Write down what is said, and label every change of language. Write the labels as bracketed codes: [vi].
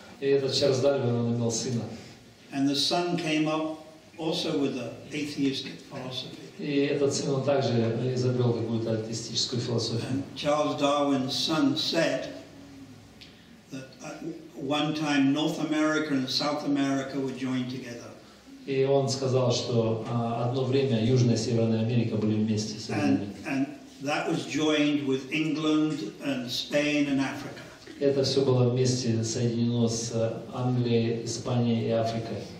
[ru] И этот Чарльз Дарвин, он имел сына. [en] And the son came up also with an atheistic philosophy. [ru] И этот сын он также изобрел какую-то атеистическую философию. [en] And Charles Darwin's son said that one time North America and South America were joined together. [ru] И он сказал, что одно время Южная и Северная Америка были вместе. [en] And that was joined with England and Spain and Africa. [ru] Это все было вместе соединено с Англией, Испанией и Африкой.